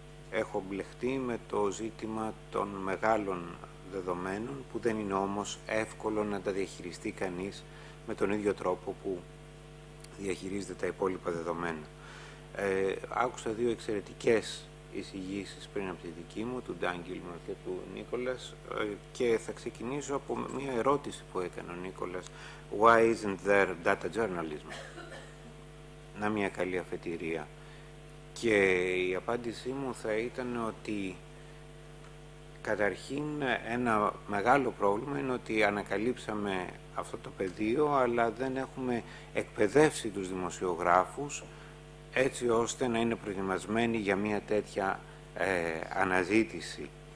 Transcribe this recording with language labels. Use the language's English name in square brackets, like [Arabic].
[Greek] Έχω μπλεχτεί με το ζήτημα των μεγάλων δεδομένων, που δεν είναι όμως εύκολο να τα διαχειριστεί κανείς με τον ίδιο τρόπο που διαχειρίζεται τα υπόλοιπα δεδομένα. Άκουσα δύο εξαιρετικές εισηγήσεις πριν από τη δική μου, του Ντάγκελμαν και του Νίκολας, και θα ξεκινήσω από μια ερώτηση που έκανε ο Νίκολας. [English] Why isn't there data journalism? [Greek] Να μια καλή αφετηρία. Και η απάντησή μου θα ήταν ότι καταρχήν ένα μεγάλο πρόβλημα είναι ότι ανακαλύψαμε αυτό το πεδίο, αλλά δεν έχουμε εκπαιδεύσει τους δημοσιογράφους έτσι ώστε να είναι προετοιμασμένοι για μια τέτοια αναζήτηση.